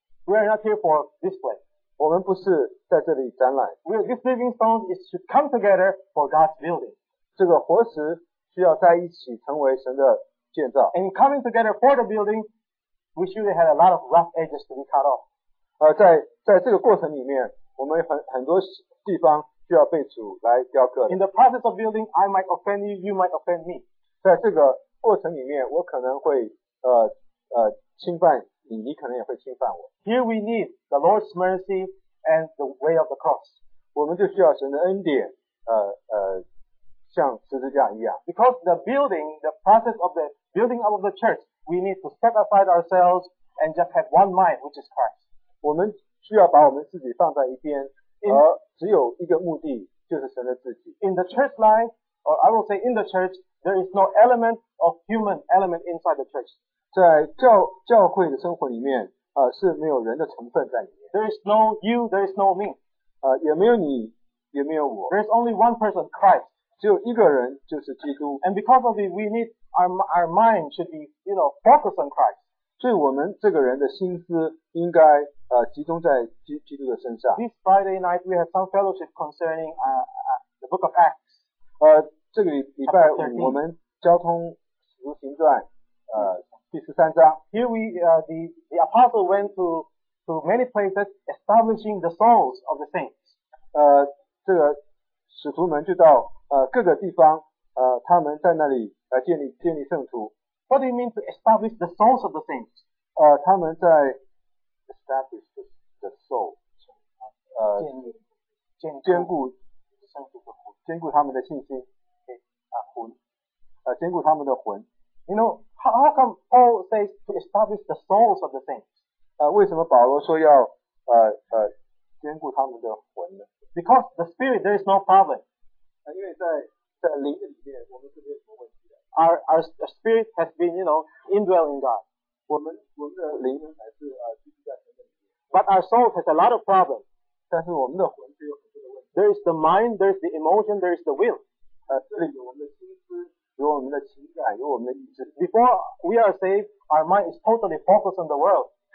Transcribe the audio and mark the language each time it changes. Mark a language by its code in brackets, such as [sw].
[en] We are not here for display. [zh] 我们不是在这里展览。 [en] This living stone is to come together for God's building. [zh] 这个活石需要在一起成为神的建造。 [en] And coming together for the building, we surely had a lot of rough edges to be cut off. [zh] 在这个过程里面，我们很多地方需要被主来雕刻。 [en] In the process of building, I might offend you, you might offend me. [zh] 在这个过程里面，我可能会侵犯你，你可能也会侵犯我。 [en] Here we need the Lord's mercy and the way of the cross. [zh] 我们就需要神的恩典，像十字架一样。 [en] Because the building, the process of the building up of the church, we need to set aside ourselves and just have one mind, which is Christ. [zh] 我们需要把我们自己放在一边，而只有一个目的，就是神的自己。 [en] In the church life, or I will say in the church, there is no element of human element inside the church. [zh] 在教会的生活里面，是没有人的成分在里面。 [en] There is no you, there is no me. [zh] 也没有你，也没有我。 [en] There is only one person, Christ. [zh] 只有一个人就是基督。 [en] And because of it, we need our mind should be, you know, focused on Christ. [zh] 所以我们这个人的心思应该集中在基督的身上。 [en] This Friday night, we have some fellowship concerning the book of Acts. [zh] 这个礼拜五我们交通使徒行传第十三章。 [en] Here we, the apostle went to many places establishing the souls of the saints. [zh] 这个使徒们就到各个地方他们在那里建立圣徒。 [en] What do you mean to establish the souls of the saints? [zh] 他们在 [en] establish the soul, [zh] 坚固他们的信心。坚固他们的魂。 [en] You know, how come Paul says to establish the souls of the saints? [zh] 为什么保罗说要坚固他们的魂呢？ [en] Because the spirit, there is no problem. [zh] 因为在灵里面，我们是没有什么问题的。 [en] Our spirit has been, you know, indwelling God. [zh] 我们的灵还是居住在神的里面。 [en] But our soul has a lot of problems. [zh] 但是我们的魂就有很多的问题。 [en] There is the mind, there is the emotion, there is the will. [zh] 这里有我们的心思，有我们的情感，有我们的意志。 [en] Before we are saved, our mind is totally focused on the world.